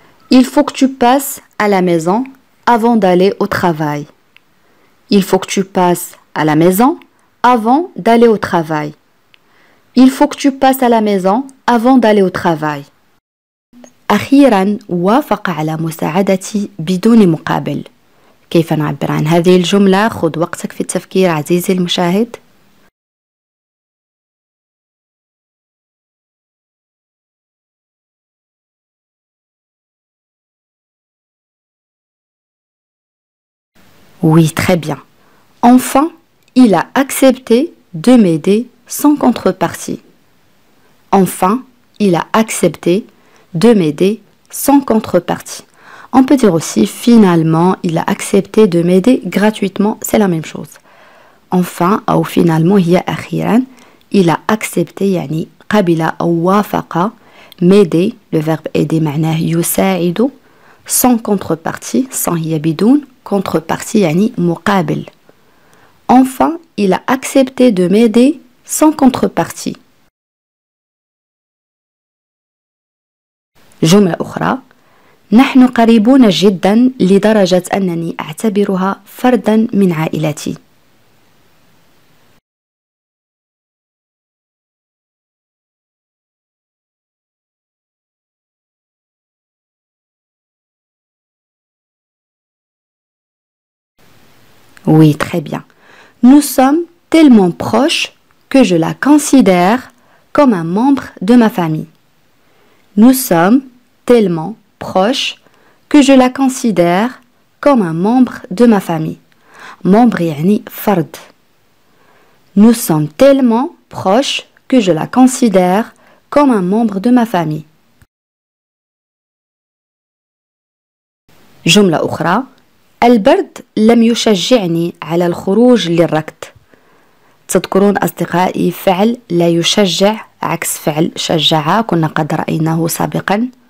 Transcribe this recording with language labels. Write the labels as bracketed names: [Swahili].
[French] Il faut que tu passes à la maison avant d'aller au travail. Il faut que tu passes à la maison avant d'aller au travail. Il faut que tu passes à la maison avant d'aller au travail. [Arabic] أخيرا وافق على مساعدتي بدون مقابل. كيف نعبر عن هذه الجملة؟ خذ وقتك في التفكير عزيزي المشاهد. [French] Oui, très bien. Enfin, il a accepté de m'aider sans contrepartie. Enfin, il a accepté de m'aider sans contrepartie. On peut dire aussi, finalement, il a accepté de m'aider gratuitement. C'est la même chose. Enfin, ou finalement, il a accepté, yani, [Arabic] قبل أو وافق, [French] m'aider, le verbe aider, [Arabic] معناه يساعد, [French] sans contrepartie, sans [Arabic] هي بدون. [French] Contrepartie, yani مقابل. Enfin, il a accepté de m'aider sans contrepartie. [Arabic] جملة أخرى. نحن قريبون جدا لدرجة أنني أعتبرها فردا من عائلتي. [French] Oui, très bien. Nous sommes tellement proches que je la considère comme un membre de ma famille. Nous sommes tellement proches que je la considère comme un membre de ma famille. Membre [Arabic] يعني فرد. [French] Nous sommes tellement proches que je la considère comme un membre de ma famille. [Arabic] جملة أخرى. البرد لم يشجعني على الخروج للركض. تذكرون أصدقائي فعل لا يشجع عكس فعل شجع كنا قد رأيناه سابقا.